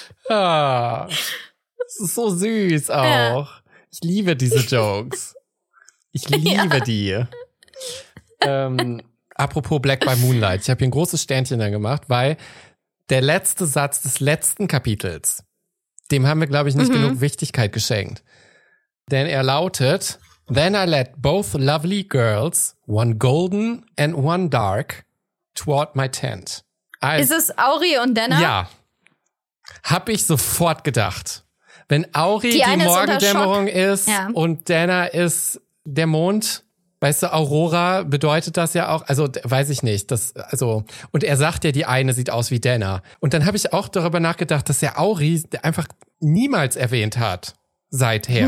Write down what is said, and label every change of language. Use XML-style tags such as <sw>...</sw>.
<de>Ah, das ist so süß auch. Ja. Ich liebe diese Jokes. Ich liebe die. Apropos Black by Moonlight. Ich habe hier ein großes Sternchen dann gemacht, weil der letzte Satz des letzten Kapitels, dem haben wir, glaube ich, nicht genug Wichtigkeit geschenkt. Denn er lautet,</de> <en>then I led both lovely girls, one golden and one dark, toward my tent.</en> <de>Ist es Auri und Denna? Ja. Hab ich sofort gedacht. Wenn Auri die Morgendämmerung ist und Denna ist der Mond, weißt du, Aurora bedeutet das ja auch, also weiß ich nicht, das, also, und er sagt ja, die eine sieht aus wie Denna. Und dann habe ich auch darüber nachgedacht, dass er Auri einfach niemals erwähnt hat seither.</de>